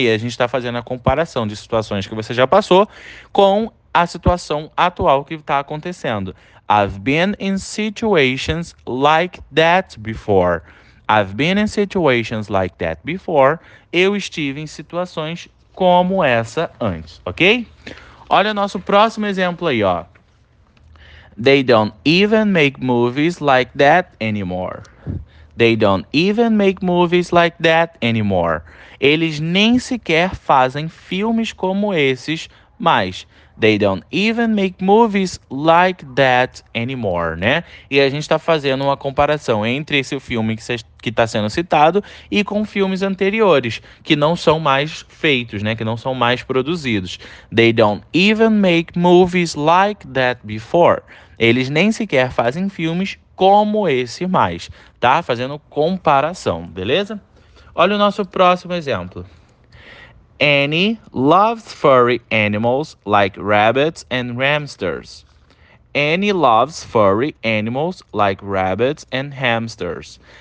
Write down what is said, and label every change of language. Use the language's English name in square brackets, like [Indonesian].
[Portuguese] E a gente está fazendo a comparação de situações que você já passou com a situação atual que está acontecendo. [English] I've been in situations like that before. I've been in situations like that before. [Portuguese] Eu estive em situações como essa antes, ok? Olha o nosso próximo exemplo aí, ó. [English] They don't even make movies like that anymore. They don't even make movies like that anymore. [Portuguese] Eles nem sequer fazem filmes como esses mais. [English] They don't even make movies like that anymore, né? [Portuguese] E a gente está fazendo uma comparação entre esse filme que está sendo citado e com filmes anteriores, que não são mais feitos, né? Que não são mais produzidos. [English] They don't even make movies like that before. [Portuguese] Eles nem sequer fazem filmes como esse mais, tá? Fazendo comparação, beleza? Olha o nosso próximo exemplo. [English] Annie loves furry animals like rabbits and hamsters. Annie loves furry animals like rabbits and hamsters.